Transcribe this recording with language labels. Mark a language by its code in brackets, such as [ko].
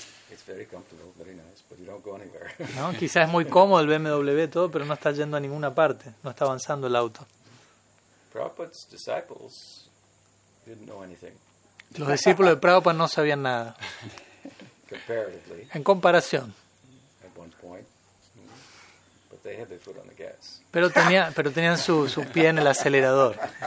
[en] It's very comfortable, very nice, but you don't go anywhere. [es] No, quizás es muy cómodo el BMW todo, pero no está yendo a ninguna parte, no está avanzando el auto. [en] Prabhupada's disciples didn't know anything. [es] Los discípulos de Prabhupada no sabían nada. [en] Comparatively. [es] En comparación. [en] At one point, but they had their foot on the gas. [es] Pero tenían su pie en el acelerador.